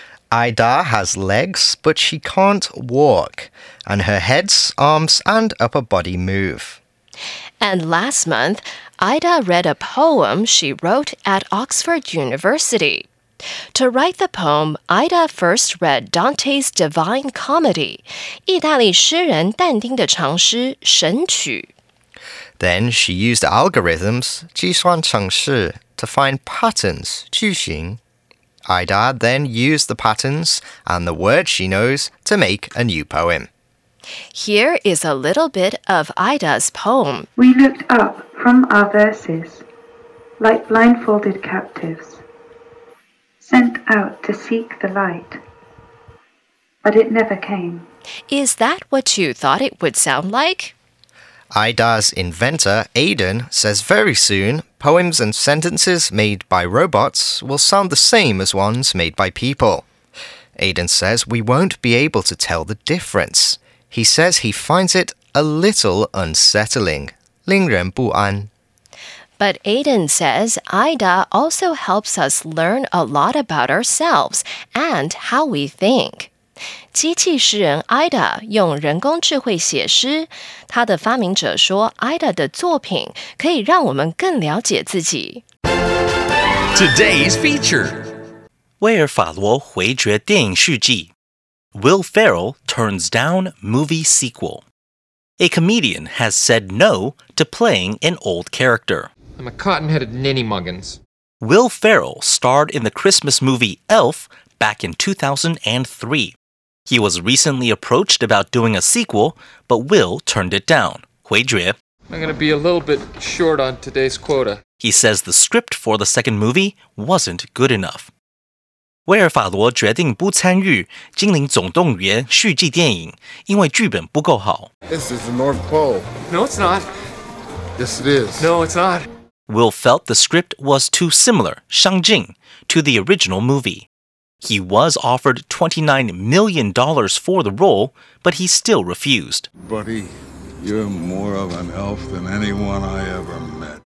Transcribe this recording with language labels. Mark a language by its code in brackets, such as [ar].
[en] Ida has legs, but she can't walk, and her head, arms, and upper body move. And last month, Ida read a poem she wrote at Oxford University. To write the poem, Ida first read Dante's Divine Comedy, [zh] 意大利诗人但丁的长诗《神曲》. [en] Then she used algorithms, 计算程式, to find patterns, 句型,Ida then used the patterns and the words she knows to make a new poem. Here is a little bit of Ida's poem. We looked up from our verses, like blindfolded captives, sent out to seek the light, but it never came. Is that what you thought it would sound like? Ida's inventor, Aidan, says very soon, poems and sentences made by robots will sound the same as ones made by people. Aidan says we won't be able to tell the difference. He says he finds it a little unsettling. [zh] 令人不安。 [en] But Aiden says Ida also helps us learn a lot about ourselves and how we think. [zh] 机器诗人 Ida 用人工智慧写诗，他的发明者说 Ida 的作品可以让我们更了解自己。 [en] Today's feature， [zh] 威尔法罗回绝电影续集。 [en] Will Ferrell turns down movie sequel. A comedian has said no to playing an old character. I'm a cotton-headed ninny muggins. Will Ferrell starred in the Christmas movie Elf back in 2003. He was recently approached about doing a sequel, but Will turned it down. [zh] 回绝 [en] I'm going to be a little bit short on today's quota. He says the script for the second movie wasn't good enough. [zh] 威尔法罗决定不参与《精灵总动员》续集电影，因为剧本不够好。 [en] This is the North Pole. No, it's not. Yes, it is. No, it's not. Will felt the script was too similar, 相近 to the original movie. He was offered $29 million for the role, but he still refused. Buddy, you're more of an elf than anyone I ever met.